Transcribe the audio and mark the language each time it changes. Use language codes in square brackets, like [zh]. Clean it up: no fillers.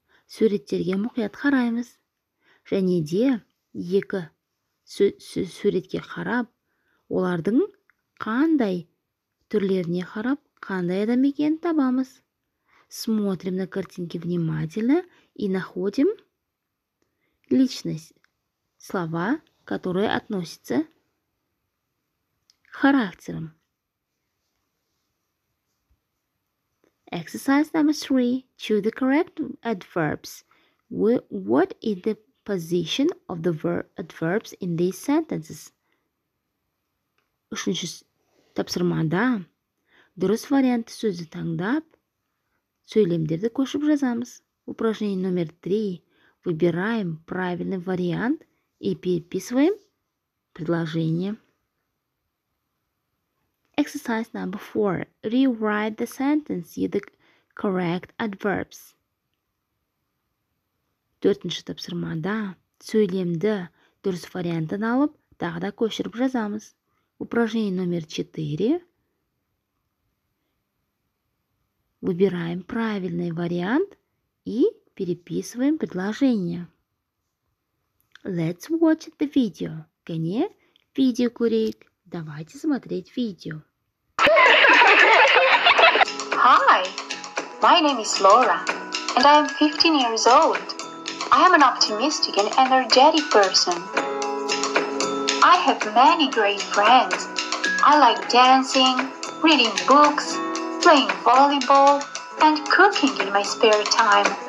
[kk] Суреттерге мұқият қараймыз. Және де екі суретке қарап, олардың қандай түрлеріне қарап, қандай адам екенін табамыз. [ru] Смотрим на картинки внимательно и находим личность. Слова, которые относятся к характерам. [en] Exercise number three. Choose the correct adverbs. What is the position of the adverbs in these sentences? [kk] Тапсырмада дұрыс варианты сөзді таңдап, сөйлемдерді көшіп жазамыз. [ru] Упражнение номер 3. Выбираем правильный вариант и переписываем предложение. [en] Exercise number 4. Rewrite the sentence with the correct adverbs. [kk] Төртінші тапсырмада сөйлемді дұрыс вариантын алып, тағы да көшіріп жазамыз. [ru] Упражнение номер 4. Выбираем правильный вариант и переписываем предложение. [en] Let's watch the video. Can you? Видео, Курик. [ru] Давайте смотреть видео. [en] Hi, my name is Laura, and I am 15 years old. I am an optimistic and energetic person. I have many great friends. I like dancing, reading books, playing volleyball, and cooking in my spare time.